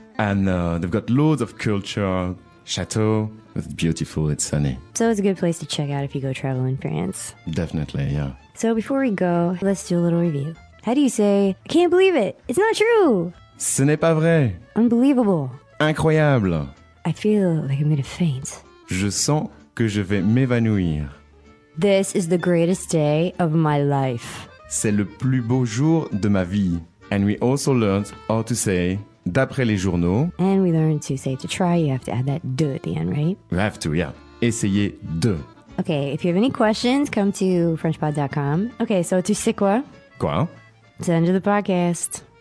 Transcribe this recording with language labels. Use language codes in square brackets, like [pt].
[en] And they've got loads of culture. Château, it's beautiful, it's sunny. So it's a good place to check out if you go travel in France. Definitely, yeah. So before we go, let's do a little review. How do you say, I can't believe it, it's not true? [fr] Ce n'est pas vrai. [en] Unbelievable. [fr] Incroyable. [en] I feel like I'm going to faint. [fr] Je sens que je vais m'évanouir. [en] This is the greatest day of my life. [fr] C'est le plus beau jour de ma vie. [en] And we also learned how to say, [fr] d'après les journaux. [en] And we learned to say to try, you have to add that de at the end, right? You have to, yeah. [fr] Essayez de. [en] Okay, if you have any questions, come to frenchpod.com. Okay, so [fr] tu sais quoi? Quoi? [en] It's the end of the podcast.